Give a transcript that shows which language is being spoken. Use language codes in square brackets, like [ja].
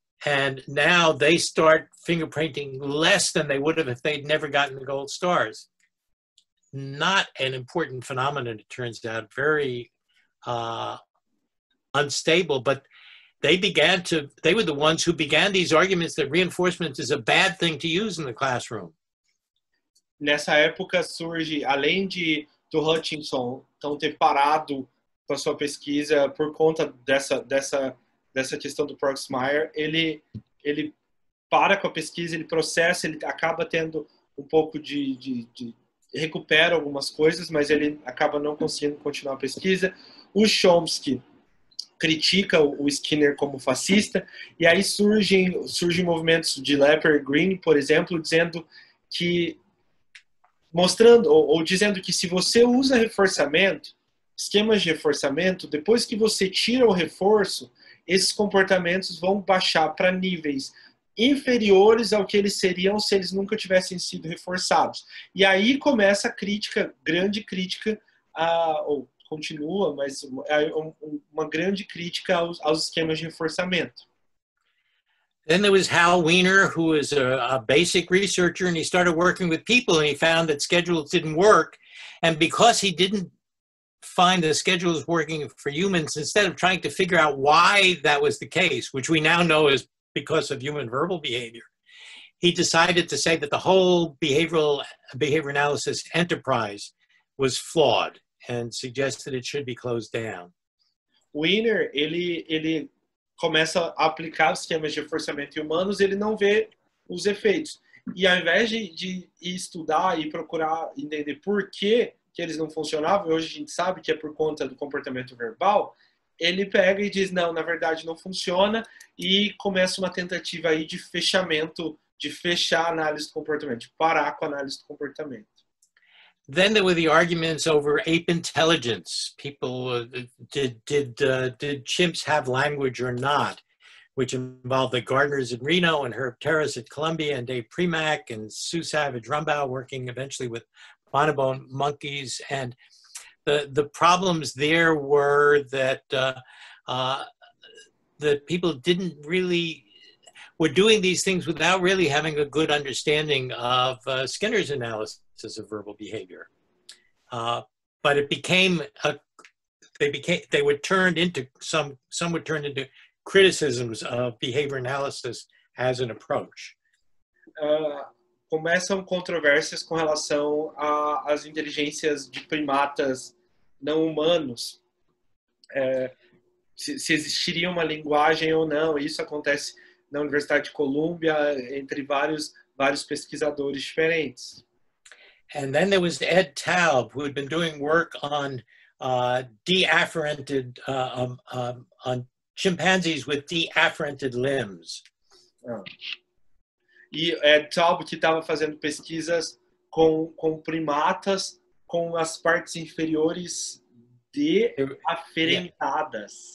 [en] And now they start finger painting less than they would have if they'd never gotten the gold stars. Not an important phenomenon, it turns out, very unstable, but they were the ones who began these arguments that reinforcement is a bad thing to use in the classroom. [pt] Nessa época surge, além do Hutchinson então ter parado com a sua pesquisa por conta dessa questão do Proxmire, ele para com a pesquisa, ele processa, ele acaba tendo um pouco de recupera algumas coisas, mas ele acaba não conseguindo continuar a pesquisa. O Chomsky critica o Skinner como fascista, e aí surgem movimentos de Lepper Green, por exemplo, dizendo que, mostrando, ou dizendo que se você usa reforçamento, esquemas de reforçamento, depois que você tira o reforço, esses comportamentos vão baixar para níveis inferiores ao que eles seriam se eles nunca tivessem sido reforçados. E aí começa a crítica, grande crítica, uma grande crítica aos esquemas de reforçamento. [en] Then there was Hal Weiner, who is a basic researcher, and he started working with people, and he found that schedules didn't work. And because he didn't find the schedules working for humans, instead of trying to figure out why that was the case, which we now know is because of human verbal behavior, he decided to say that the whole behavior analysis enterprise was flawed and suggested it should be closed down. [pt] Weiner, ele começa a aplicar os esquemas de reforçamento em humanos, ele não vê os efeitos. E ao invés de estudar e procurar entender por que eles não funcionavam, hoje a gente sabe que é por conta do comportamento verbal, ele pega e diz, não, na verdade não funciona, e começa uma tentativa aí de fechamento, de fechar a análise do comportamento, de parar com a análise do comportamento. [en] Then there were the arguments over ape intelligence. People, did chimps have language or not? Which involved the Gardners in Reno and Herb Terrace at Columbia and Dave Primack and Sue Savage Rumbaugh working eventually with bonobo monkeys. And the problems there were that the people didn't really, were doing these things without really having a good understanding of Skinner's analysis of verbal behavior, but it became some were turned into criticisms of behavior analysis as an approach. [pt] Começam controvérsias com relação às inteligências de primatas não humanos, se existiria uma linguagem ou não. Isso acontece na Universidade de Columbia entre vários pesquisadores diferentes. [en] And then there was Ed Taub, who had been doing work on deafferented on chimpanzees with deafferented limbs. Oh. [pt] E Ed Taub, que estava fazendo pesquisas com primatas com as partes inferiores deaferentadas.